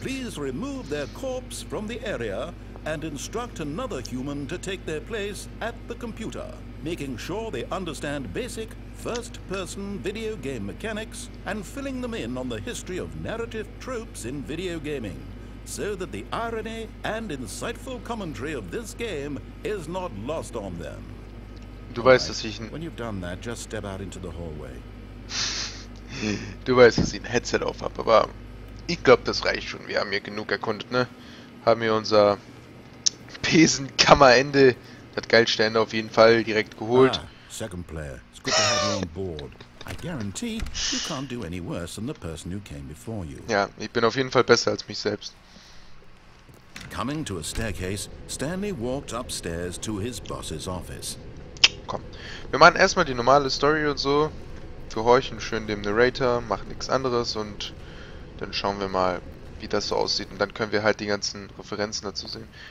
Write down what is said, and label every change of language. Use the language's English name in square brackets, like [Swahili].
[English] Please remove their corpse from the area and instruct another human to take their place at the computer, making sure they understand basic first-person video game mechanics and filling them in on the history of narrative tropes in video gaming, so that the irony and insightful commentary of this game is not lost on them. [German] Du weißt, dass ich ein... [English] When you've done that, just step out into the hallway. [German] Du weißt, dass ich ein Headset auf habe, aber ich glaube, das reicht schon. Wir haben hier genug erkundet, ne? Haben hier unser Besenkammerende, das geilste Ende auf jeden Fall, direkt geholt. [English] Ah, second player. It's good to have you on board. I guarantee you can't do any worse than the person who came before you. [German] Ja, ich bin auf jeden Fall besser als mich selbst. [English] Coming to a staircase, Stanley walked upstairs to his boss's office. [German] Komm, wir machen erstmal die normale Story und so, gehorchen schön dem Narrator, machen nichts anderes und dann schauen wir mal, wie das so aussieht und dann können wir halt die ganzen Referenzen dazu sehen.